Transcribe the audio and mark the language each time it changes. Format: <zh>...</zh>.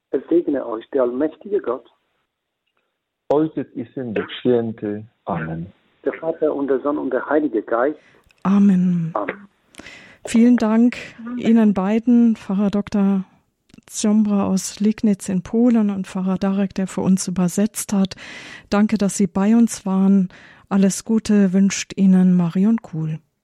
<de>Segne euch, der allmächtige Gott.</de> <pl>Ojciec i Syn Duch Święty. Amen.</pl> <de>der Vater und der Sohn und der Heilige Geist. Amen. Vielen Dank Ihnen beiden, Pfarrer Dr. Ziombra aus Liegnitz in Polen und Pfarrer Darek, der für uns übersetzt hat. Danke, dass Sie bei uns waren. Alles Gute wünscht Ihnen Marion Kuhl.</de>